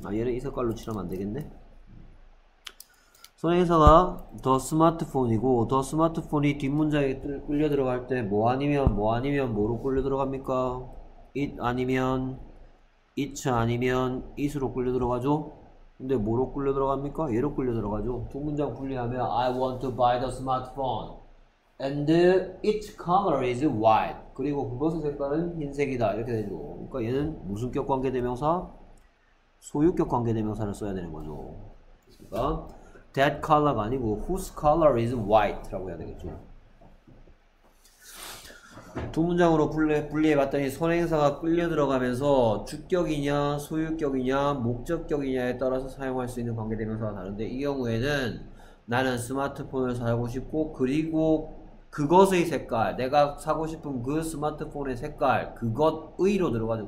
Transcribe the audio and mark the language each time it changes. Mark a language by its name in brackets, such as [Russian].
[Korean] 아, 얘는 이 색깔로 칠하면 안 되겠네. 선행사가 더 스마트폰이고 더 스마트폰이 뒷문장에 끌려 들어갈 때뭐 아니면 뭐로 끌려 들어갑니까? it 아니면 it 아니면 it으로 끌려 들어가죠. 근데 뭐로 끌려 들어갑니까? 얘로 끌려 들어가죠. 두 문장 분리하면 [English] I want to buy the smartphone and its color is white. [Korean] 그리고 그것의 색깔은 흰색이다. 이렇게 되죠. 그러니까 얘는 무슨 격 관계대명사? 소유격 관계대명사를 써야 되는 거죠. 그러니까 that color가 아니고 [English] whose color is white [Korean] 라고 해야 되겠죠. 두 문장으로 분리해봤더니 선행사가 끌려 들어가면서 주격이냐, 소유격이냐, 목적격이냐에 따라서 사용할 수 있는 관계대명사가 다른데 이 경우에는 나는 스마트폰을 사고 싶고 그리고 그것의 색깔, 내가 사고 싶은 그 스마트폰의 색깔, 그것의로 들어가죠.